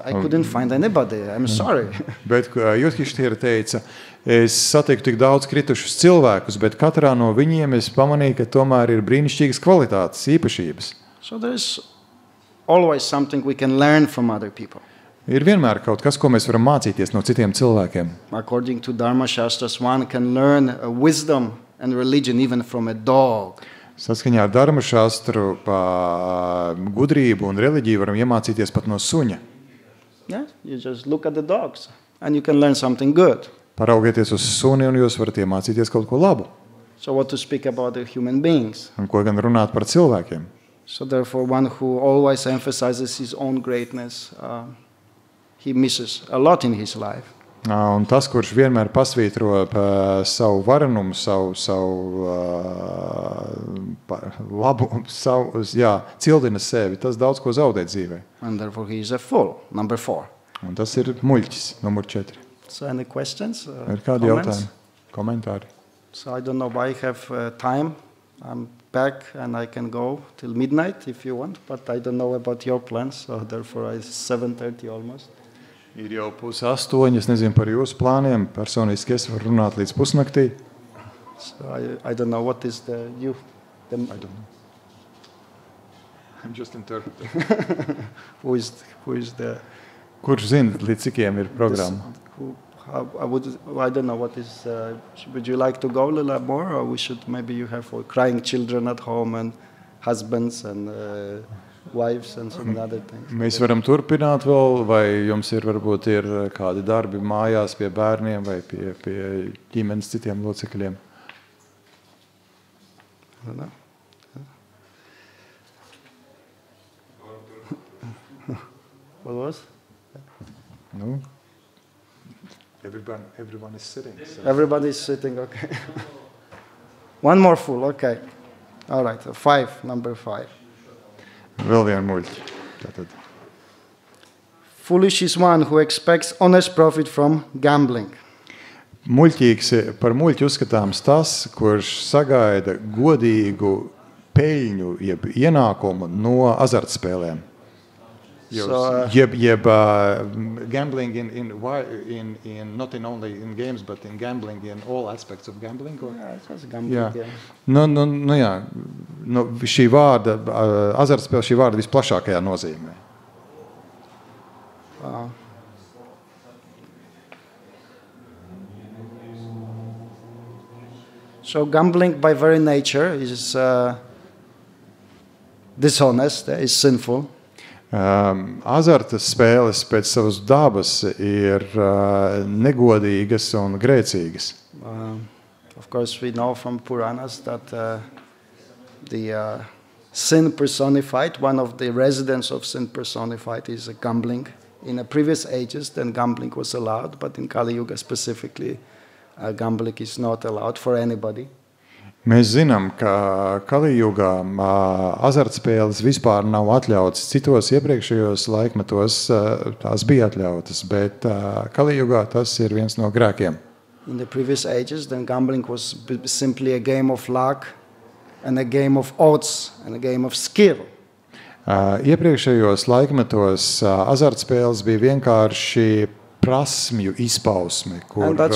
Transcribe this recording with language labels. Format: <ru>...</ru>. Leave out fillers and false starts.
<en>I couldn't find anybody. I'm sorry.</en> <lv>Bet Yudhishthira teica, es satiku tik daudz kritušus cilvēkus, bet katrā no viņiem es pamanīju, ka tomēr ir brīnišķīgas kvalitātes, īpašības.</lv> <en>So there's always something we can learn from other people.</en> <lv>Ir vienmēr kaut kas, ko mēs varam mācīties no citiem cilvēkiem.</lv> <en>According to Dharma Shastras, one can learn wisdom and religion even from a dog.</en> <lv>Saskaņā ar Dharma Shastru pa gudrību un reliģiju varam iemācīties pat no suņa.</lv> <en>Yeah, you just look at the dogs and you can learn something good.</en> <lv>Paraugieties uz suni un jūs varat iemācīties kaut ko labu.</lv> <en>So what to speak about the human beings?</en> <lv>Un ko gan runāt par cilvēkiem?</lv> <en>So therefore one who always emphasizes his own greatness, he misses a lot in his life.</en> <lv>Un tas, kurš vienmēr pasvītro savu varenumu, cildina sevi, tas daudz ko zaudē dzīvē.</lv> <en>And therefore he is a fool, number four.</en> <lv>Un tas ir muļķis, numur 4.</lv> <en>So any questions?</en> <lv>Ir kādi jautājumi? Komentāri?</lv> <en>So I don't know why I have time I'm back and I can go till midnight if you want, but I don't know about your plans, so therefore it's 7:30 almost.</en> <lv>Ir jau pus astoņi, es nezinu par jūsu plāniem, personiski es varu runāt līdz pusnaktī.</lv> <en>So I don't know what is the you. The, I don't know. I'm just interpreter. who is the...</en> <lv>Kurš zina, līdz cikiem ir programma?</lv> <en>I don't know what is... Would you like to go a little more, or we should... Maybe you have crying children at home and husbands and... wives and some other things.</en> <lv>Mēs varam turpināt vēl, vai jums ir varbūt ir kādi darbi mājās pie bērniem vai pie ģimenes citiem locekļiem?</lv> <en>No. What was? No. Everyone is sitting. So. Everybody is sitting, okay. One more full, okay. All right, number five.</en> <lv>Vēl vienu muļķi. Tātad.</lv> <en>Foolish is one who expects honest profit from gambling.</en> <lv>Muļķīgs, par muļķi uzskatāms tas, kurš sagaida godīgu peļņu, jeb ienākumu no azartspēlēm.</lv> <en>Jeb gambling in not in only in games but in gambling in all aspects of gambling or gambling.</en> <lv>Šī vārda azartspēle šī vārda visplašākajā nozīmē.</lv> <en>So gambling by very nature is dishonest, is sinful.</en> <lv>Azarta spēles pēc savas dabas ir negodīgas un grēcīgas.</lv> <en>Of course we know from Puranas that sin personified, one of the residents of sin personified is a gambling. In the previous ages then gambling was allowed, but in Kali Yuga specifically gambling is not allowed for anybody.</en> <lv>Mēs zinām, ka Kali Jugā azartspēles vispār nav atļautas. Citos iepriekšējos laikmetos tās bija atļautas, bet Kali Jugā tas ir viens no grēkiem.</lv> <en>In the previous ages, then gambling was simply a game of luck and a game of odds and a game of skill.</en> <lv>Iepriekšējos laikmetos azartspēles bija vienkārši prasmju izpausme, kur...</lv>